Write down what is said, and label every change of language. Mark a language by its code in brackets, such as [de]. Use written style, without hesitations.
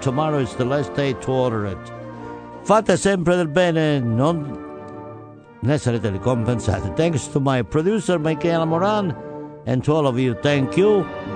[en] Tomorrow is the last day to order it. [it] Fate sempre del bene, non ne sarete ricompensati. [en] Thanks to my producer Michaela Moran, and to all of you, thank you.